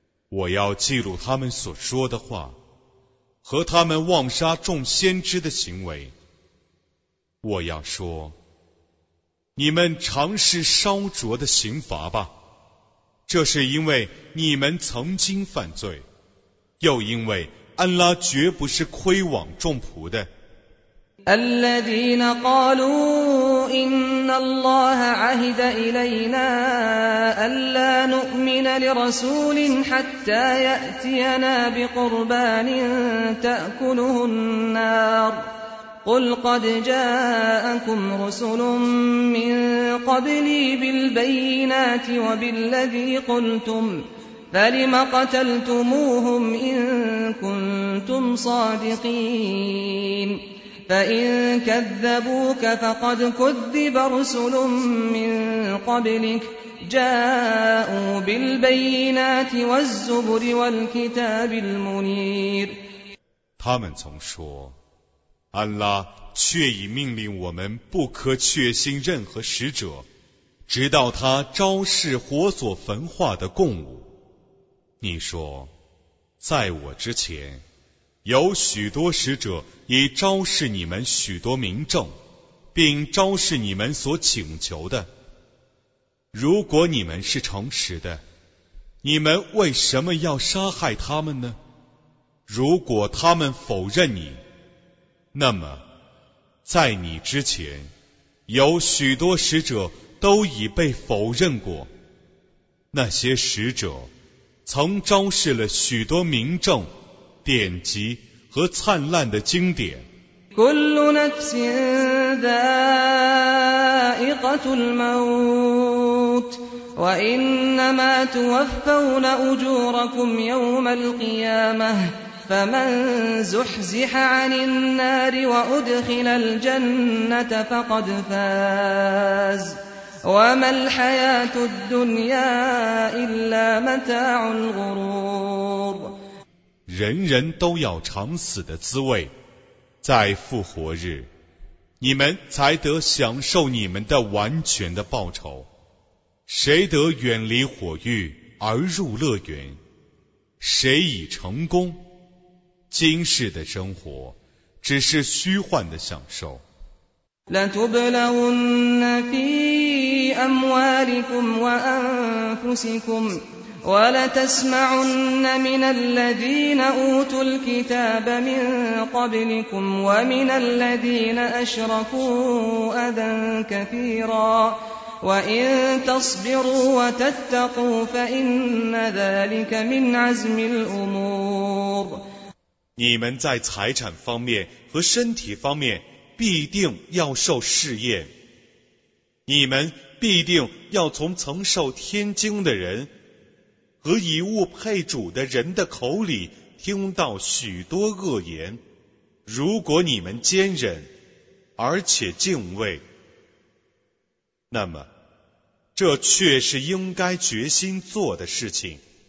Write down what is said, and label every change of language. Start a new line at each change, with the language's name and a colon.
Chinese: 我要记录他们所说的话和他们妄杀众先知的行为。我要说，你们尝试烧灼的刑罚吧，这是因为你们曾经犯罪，又因为安拉绝不是亏枉众仆的。
Arabic: الذين قالوا إن الله عهد إلينا ألا نؤمن لرسول حتى يأتينا بقربان تأكله النار قل قد جاءكم رسل من قبلي بالبينات وبالذي قلتم فلم قتلتموهم إن كنتم صادقين فإن كذبوك فقد كذب رسل من قبلك جاءوا بالبينات والزبر والكتاب المنير
Chinese: 他们曾说，安拉却已命令我们不可确信任何使者，直到他昭示火所焚化的供物。你说，在我之前有许多使者已昭示你们许多明证，并昭示你们所请求的。如果你们是诚实的，你们为什么要杀害他们呢？如果他们否认你，那么在你之前有许多使者都已被否认过。那些使者曾昭示了许多明证、典籍和灿烂的经典。
Arabic: كل نفس ذائقة الموت وإنما توفون أجوركم يوم القيامة فمن زحزح عن النار وأدخل الجنة فقد فاز وما الحياة الدنيا إلا متاع الغرور
Chinese: 人人都要尝死的滋味，在复活日，你们才得享受你们的完全的报酬。谁得远离火狱而入乐园，谁已成功。今世的生活只是虚幻的享受。
Arabic: لتبلغن في أموالكم وأنفسكمولتسمعن من الذين أوتوا الكتاب من قبلكم ومن الذين أشركوا أذى كثيرا وإن تصبروا وتتقوا فإن ذلك من عزم الأمور
Chinese: 你们在财产方面和身体方面必定要受试验，你们必定要从曾受天经的人和以物配主的人的口里听到许多恶言，如果你们坚忍而且敬畏，那么这却是应该决心做的事情。